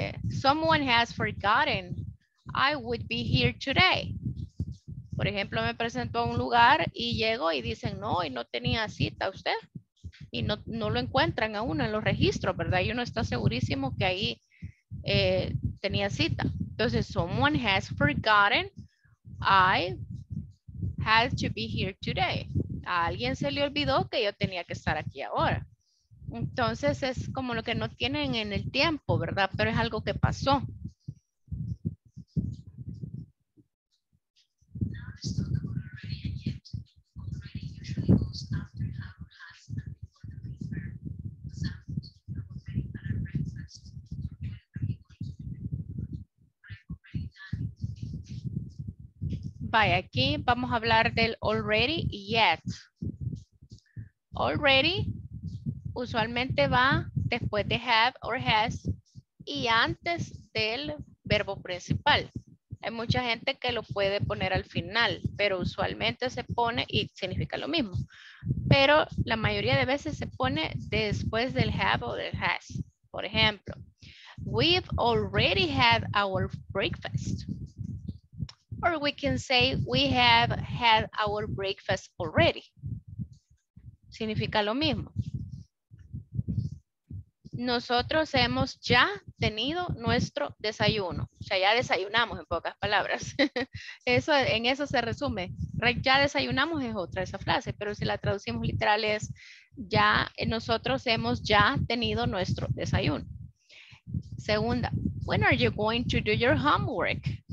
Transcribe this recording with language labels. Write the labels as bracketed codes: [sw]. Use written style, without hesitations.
[en] Someone has forgotten I would be here today. [es] Por ejemplo, me presento a un lugar y llego y dicen, no, y no tenía cita usted. Y no lo encuentran a uno en los registros, ¿verdad? Y uno está segurísimo que ahí tenía cita. Entonces, [en] someone has forgotten I had to be here today. [es] A alguien se le olvidó que yo tenía que estar aquí ahora. Entonces, es como lo que no tienen en el tiempo, ¿verdad? Pero es algo que pasó. [en] Usually goes after half past and before the free fair. [es] Vaya, aquí vamos a hablar del already y yet. Already usualmente va después de have or has y antes del verbo principal. Hay mucha gente que lo puede poner al final, pero usualmente se pone y significa lo mismo. Pero la mayoría de veces se pone después del have o del has. Por ejemplo, [en] we've already had our breakfast. Or we can say we have had our breakfast already. [es] Significa lo mismo. Nosotros hemos ya tenido nuestro desayuno. O sea, ya desayunamos en pocas palabras. Eso, en eso se resume. Ya desayunamos es otra esa frase, pero si la traducimos literal es ya nosotros hemos ya tenido nuestro desayuno. Segunda, [en] when are you going to do your homework?